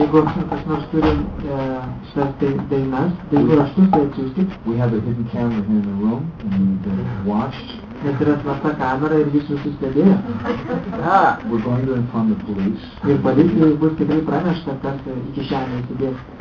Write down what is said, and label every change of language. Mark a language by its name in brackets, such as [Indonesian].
[Lithuanian] Jeigu kas nors turi šias dainas, tai įrašus, tai atsiųskit. [English] We have a hidden camera here in the room, and they're watched. [Lithuanian] nes yra slapta kamera ir jis visus stebėjo. [English] We're going to inform the police. [Lithuanian] Ir policijai bus tikrai pranešta, kad iki šiandien įsidės.